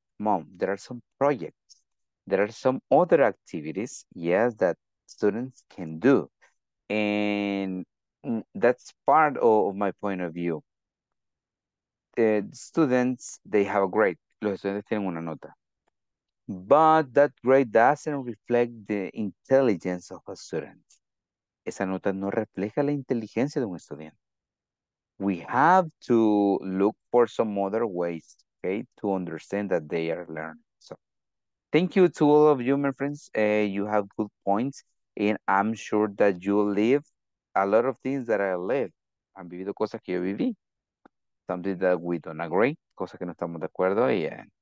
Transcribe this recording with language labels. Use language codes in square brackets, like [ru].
[en] Mom, there are some projects. There are some other activities, yes, that students can do. And that's part of my point of view. The students, they have a grade. [es] Los estudiantes tienen una nota. [en] But that grade doesn't reflect the intelligence of a student. [es] Esa nota no refleja la inteligencia de un estudiante. [en] We have to look for some other ways, okay, to understand that they are learning. So thank you to all of you, my friends. You have good points. And I'm sure that you live a lot of things that I live. [es] Han vivido cosas que yo viví. [en] Something that we don't agree, [es] cosas que no estamos de acuerdo. Yeah.